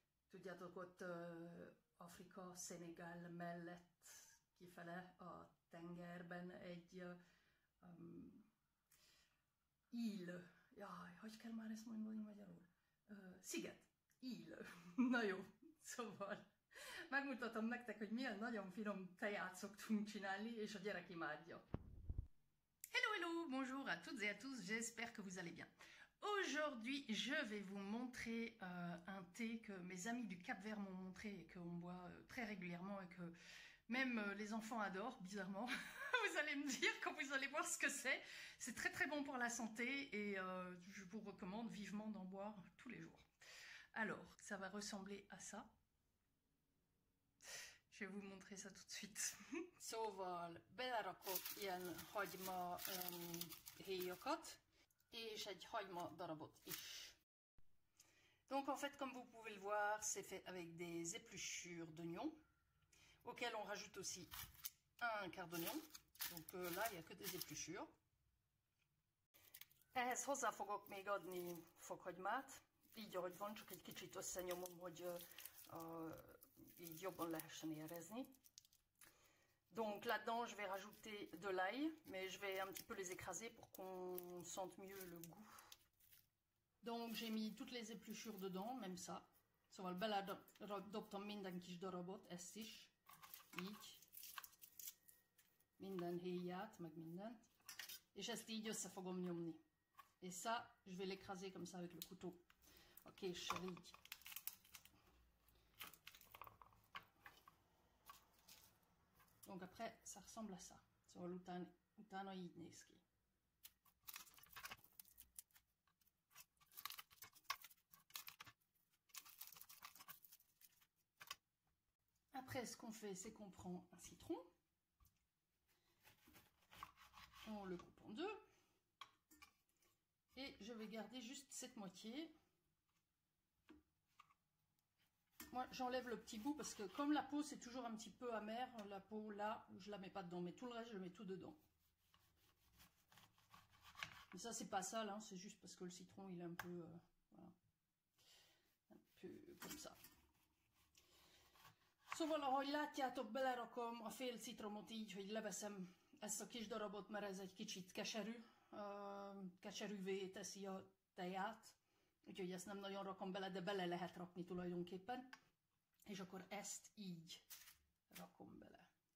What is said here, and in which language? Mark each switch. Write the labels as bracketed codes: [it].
[hu] Tudjátok, ott Afrika, Szenegál mellett kifele a tengerben egy íl, jaj, hogy kell már ezt mondani magyarul? Sziget, íl, na jó, szóval megmutatom nektek, hogy milyen nagyon finom teát szoktunk csinálni, és a gyerek imádja. [fr] Hello, hello, bonjour à toutes et à tous, j'espère que vous allez bien. Aujourd'hui, je vais vous montrer un thé que mes amis du Cap-Vert m'ont montré et qu'on boit très régulièrement et que même les enfants adorent, bizarrement. Vous allez me dire quand vous allez voir ce que c'est. C'est très très bon pour la santé et je vous recommande vivement d'en boire tous les jours. Alors, ça va ressembler à ça. Je vais vous montrer ça tout de suite. [hu] Szóval, belerakok ilyen hagyma héjakat. [fr] Et j'ai [hu] hagyma darabot [fr] is. Donc en fait, comme vous pouvez le voir, c'est fait avec des épluchures d'oignons, auxquelles on rajoute aussi un quart d'oignon. Donc là, il n'y a que des épluchures. [hu] Ehhez hozzá fogok még adni fokhagymát, így ahogy van, csak egy kicsit összenyomom, hogy így jobban lehessen érezni. [fr] Donc là-dedans, je vais rajouter de l'ail, mais je vais un petit peu les écraser pour qu'on sente mieux le goût. Donc j'ai mis toutes les épluchures dedans, même ça. [hu] Szóval beledobtam minden kis darabot, ezt is, így. Minden héját, meg mindent. És ezt így össze fogom nyomni. [fr] Et ça, je vais l'écraser comme ça avec le couteau. [hu] A késsel, így. [fr] Donc après, ça ressemble à ça. [hu] Szóval utána így néz ki. [fr] Après, ce qu'on fait, c'est qu'on prend un citron. On le coupe en deux. Et je vais garder juste cette moitié. Moi, j'enlève le petit bout parce que comme la peau, c'est toujours un petit peu amer, la peau, là, je la mets pas dedans. Mais tout le reste, je mets tout dedans. Mais ça, c'est pas sale, hein, c'est juste parce que le citron, il est un peu, voilà, un peu comme ça. [hu] Szóval, ahogy látjátok, belerakom a fél citromot így, hogy leveszem ezt a kis darabot, mert ez egy kicsit keserű, keserűvé teszi a teját. Úgyhogy ezt nem nagyon rakom bele, de bele lehet rakni tulajdonképpen. És akkor ezt így rakom bele.